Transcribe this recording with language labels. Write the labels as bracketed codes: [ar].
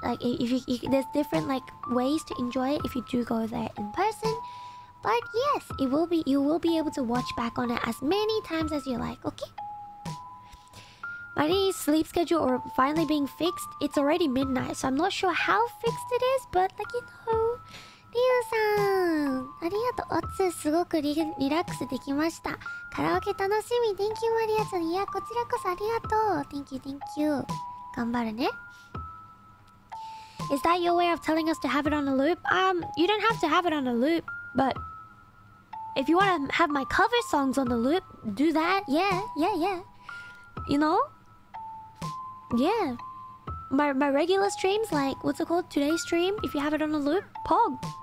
[en] Like if you there's different like ways to enjoy it if you do go there in person, but yes, it will be, you will be able to watch back on it as many times as you like. Okay, my sleep schedule or finally being fixed, it's already midnight, so I'm not sure how fixed it is, but like, you know. [ja] リオさん、ありがとう。おつ、すごくリラックスできました。カラオケ楽しみ。 Thank you, マリアちゃん.いや、こちらこそありがとう。 [en] Thank you, thank you. 頑張るね。 Is that your way of telling us to have it on a loop? You don't have to have it on a loop, but... if you wanna have my cover songs on the loop, do that. Yeah. You know? Yeah. My regular streams, like, what's it called? Today's stream, if you have it on a loop, pog.